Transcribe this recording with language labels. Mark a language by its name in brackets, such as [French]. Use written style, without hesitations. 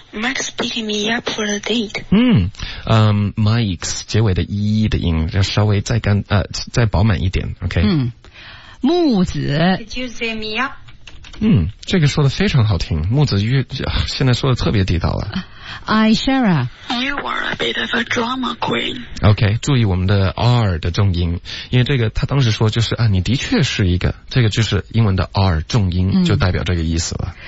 [English] Mike's picking me up for a date. [Chinese] Mike's 结尾的 e 的音要稍微再干再饱满一点 ,OK? 木子 [English] Could you zip me up? [Chinese] 这个说的非常好听，木子越现在说的特别地道了。 [English] I Shara, you are a bit of a drama queen. [Chinese] OK, 注意我们的 R 的重音，因为这个他当时说就是啊，你的确是一个，这个就是英文的 R 重音，就代表这个意思了。